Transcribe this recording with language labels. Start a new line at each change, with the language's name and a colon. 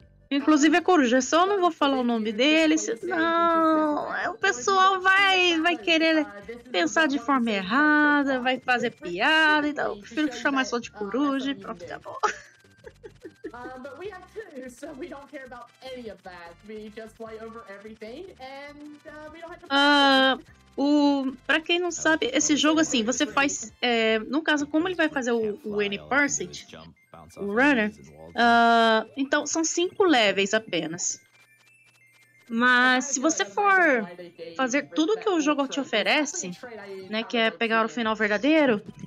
Portuguese: Inclusive a coruja, só não vou falar o nome deles, não, o pessoal vai querer pensar de forma errada, vai fazer piada, então eu prefiro chamar só de coruja e pronto, tá bom.
English: But we have two, so we don't care about any of that. We just fly over everything, and we don't have to.
Portuguese: Pra quem não sabe, esse jogo assim, você faz. No caso, como ele vai fazer o N-Parset, o Runner? Então, são 5 levels apenas. Mas se você for fazer tudo que o jogo te oferece, né, que é pegar o final verdadeiro.